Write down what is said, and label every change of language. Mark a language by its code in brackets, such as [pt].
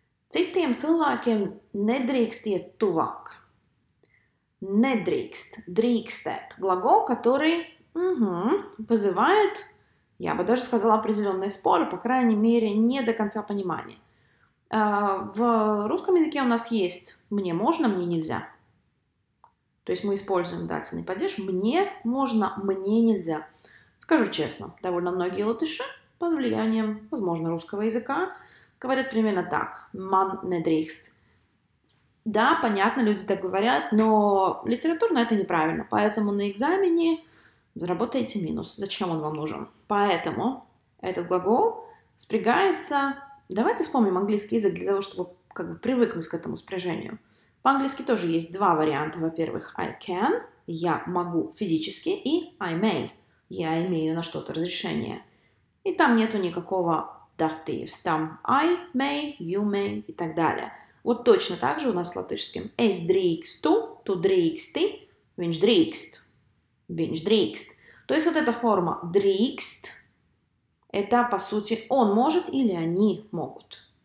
[lv] Citiem cilvēkiem nedrīkst iet tuvāk. [ru] Недрикст, дрикстет, глагол, который вызывает, я бы даже сказала, определенные споры, по крайней мере, не до конца понимания. В русском языке у нас есть «мне можно», «мне нельзя». То есть мы используем дательный падеж «мне можно», «мне нельзя». Скажу честно, довольно многие латыши под влиянием, возможно, русского языка говорят примерно так «man недрикст». Да, понятно, люди так говорят, но литературно это неправильно. Поэтому на экзамене заработаете минус. Зачем он вам нужен? Поэтому этот глагол спрягается... Давайте вспомним английский язык для того, чтобы как бы привыкнуть к этому спряжению. По-английски тоже есть 2 варианта. Во-первых, [en] I can, [ru] я могу физически, и [en] I may, [ru] я имею на что-то разрешение. И там нету никакого dative, там [en] I may, you may [ru] и так далее. Вот точно так же у нас с латышским. [lv] Es drīkstu, tu drīksti, viņš drīkst, viņš drīkst. [ru] То есть вот эта форма drīkst, это по сути он может или они могут.